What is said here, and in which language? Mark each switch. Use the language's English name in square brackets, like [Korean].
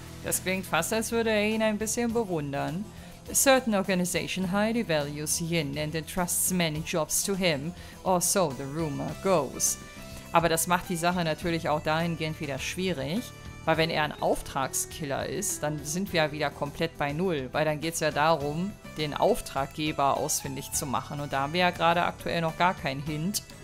[German] Das klingt fast, als würde er ihn ein bisschen bewundern. [English] A certain organization highly values Yin and entrusts many jobs to him, or so the rumor goes. [German] Aber das macht die Sache natürlich auch dahingehend wieder schwierig. Weil wenn er ein Auftragskiller ist, dann sind wir ja wieder komplett bei Null. Weil dann geht es ja darum, den Auftraggeber ausfindig zu machen. Und da haben wir ja gerade aktuell noch gar keinen Hint.